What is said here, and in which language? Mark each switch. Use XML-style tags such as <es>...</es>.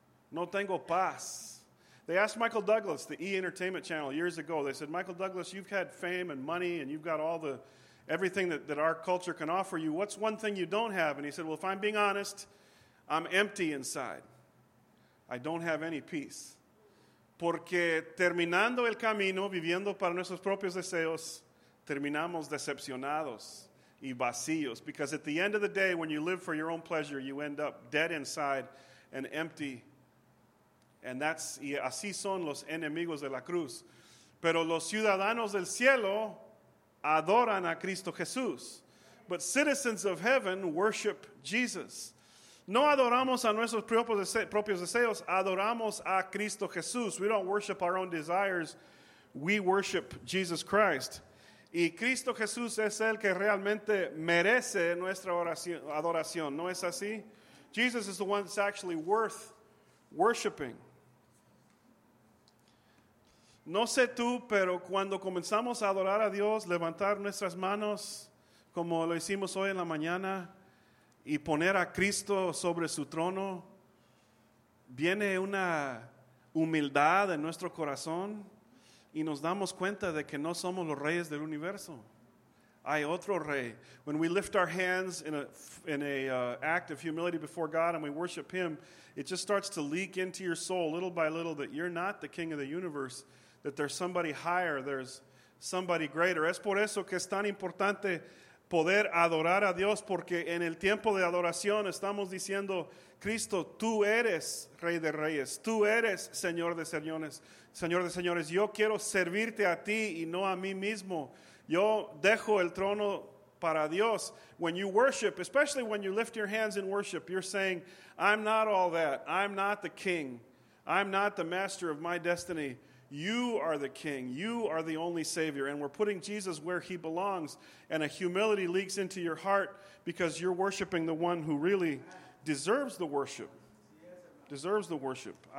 <es>No tengo paz.</es> <en>They asked Michael Douglas, the E! Entertainment Channel, years ago. They said, Michael Douglas, you've had fame and money and you've got all the everything that, that our culture can offer you, what's one thing you don't have? And he said, well, if I'm being honest, I'm empty inside. I don't have any peace.</en> <es>Porque terminando el camino, viviendo para nuestros propios deseos, terminamos decepcionados y vacíos.</es> <en>Because at the end of the day, when you live for your own pleasure, you end up dead inside and empty. And that's,</en> <es>y así son los enemigos de la cruz. Pero los ciudadanos del cielo adoran a Cristo Jesús.</es> <en>But citizens of heaven worship Jesus.</en> <es>No adoramos a nuestros propios deseos, adoramos a Cristo Jesús.</es> <en>We don't worship our own desires, we worship Jesus Christ.</en> <es>Y Cristo Jesús es el que realmente merece nuestra adoración, ¿no es así?</es> <en>Jesus is the one that's actually worth worshiping.</en> <es>No sé tú, pero cuando comenzamos a adorar a Dios, levantar nuestras manos, como lo hicimos hoy en la mañana, y poner a Cristo sobre su trono, viene una humildad en nuestro corazón y nos damos cuenta de que no somos los reyes del universo. Hay otro rey.</es> <en>When we lift our hands in a act of humility before God and we worship him, it just starts to leak into your soul little by little that you're not the king of the universe, that there's somebody higher, there's somebody greater.</en> <es>Es por eso que es tan importante poder adorar a Dios, porque en el tiempo de adoración estamos diciendo, Cristo, tú eres Rey de Reyes, tú eres Señor de Señores, Señor de Señores, yo quiero servirte a ti y no a mí mismo. Yo dejo el trono para Dios.</es> <en>When you worship, especially when you lift your hands in worship, you're saying, I'm not all that. I'm not the king. I'm not the master of my destiny. You are the king. You are the only savior. And we're putting Jesus where he belongs. And a humility leaks into your heart because you're worshiping the one who really deserves the worship. Deserves the worship.</en>